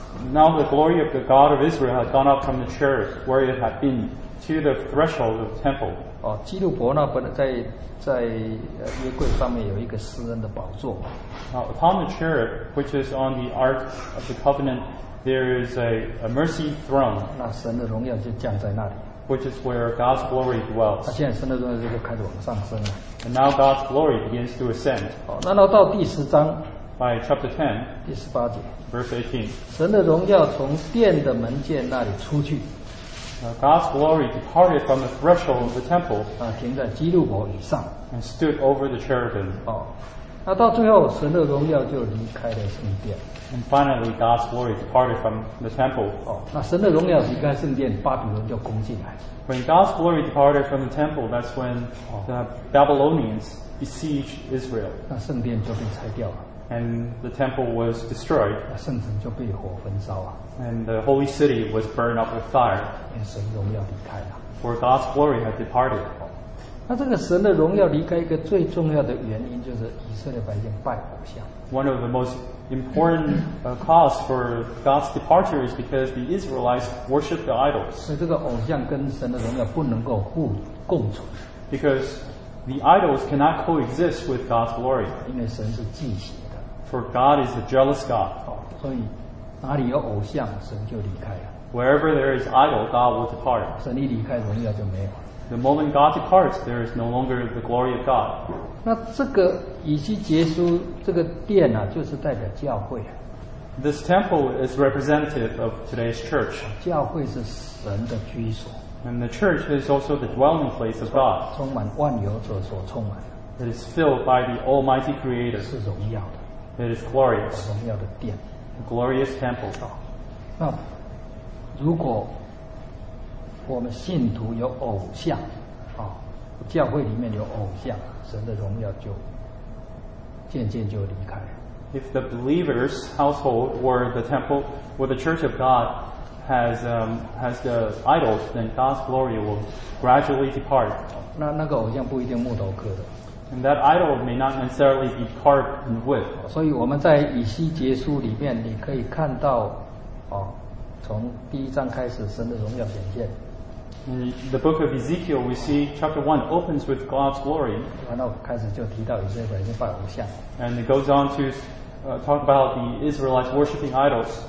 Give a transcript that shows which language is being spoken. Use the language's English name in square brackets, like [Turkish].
[English] Now the glory of the God of Israel had gone up from the chair where it had been to the threshold of the temple. [Chinese] 哦，基路伯那本来在约柜上面有一个施恩的宝座。 [English] Now upon the chair, which is on the ark of the covenant, there is a mercy throne. [Chinese] 那神的荣耀就降在那里。 [English] Which is where God's glory dwells. [Chinese] 那现在神的荣耀就开始往上升了。 [English] And now God's glory begins to ascend. [Chinese] 好，那到第十章。 [English] By chapter 10. [Chinese] 第十八节。 [English] Verse 18. [Chinese] 神的荣耀从殿的门间那里出去。 [English] God's glory departed from the threshold of the temple. [Chinese] 啊，停在基路伯以上。 [English] And stood over the cherubim. [Chinese] 哦，那到最后神的荣耀就离开了圣殿。 [English] And finally, God's glory departed from the temple. [Chinese] 哦，那神的荣耀离开圣殿，巴比伦就攻进来。 [English] When God's glory departed from the temple, that's when the Babylonians besieged Israel. [Chinese] 那圣殿就被拆掉了。 [English] And the temple was destroyed. [Chinese] 那圣城就被火焚烧啊。 [English] And the holy city was burned up with fire. [Chinese] 因为神荣耀离开了。 [English] For God's glory had departed. [Chinese] 那这个神的荣耀离开一个最重要的原因，就是以色列百姓拜偶像。 [English] One of the most important cause for God's departure is because the Israelites worship the idols. [Chinese] 所以这个偶像跟神的荣耀不能够互共存。 [English] Because the idols cannot coexist with God's glory. [Chinese] 因为神是忌邪的。 [English] For God is a jealous God. [Chinese] 所以哪里有偶像，神就离开了。 [English] Wherever there is idol, God will depart. [Chinese] 神一离开，荣耀就没有。 [English] The moment God departs, there is no longer the glory of God. [Chinese] 那这个以西结书这个殿啊，就是代表教会。 [English] This temple is representative of today's church. [Chinese] 教会是神的居所。 [English] And the church is also the dwelling place of God. [Chinese] 充满万有者所充满。 [English] It is filled by the Almighty Creator. [Chinese] 是荣耀的。 [English] It is glorious. [Chinese] 荣耀的殿。 [English] A glorious temple. [Chinese] 那如果我们信徒有偶像，啊，教会里面有偶像，神的荣耀就渐渐就离开了。 [English] If the believer's household or the temple or the church of God has the idols, then God's glory will gradually depart. [Chinese] 那个偶像不一定木头刻的。 [English] And that idol may not necessarily be carved in wood. [Chinese] 所以我们在以西结书里面，你可以看到，啊，从第一章开始，神的荣耀显现。 [English] In the book of Ezekiel, we see chapter 1 opens with God's glory. And it goes on to talk about the Israelites worshipping idols.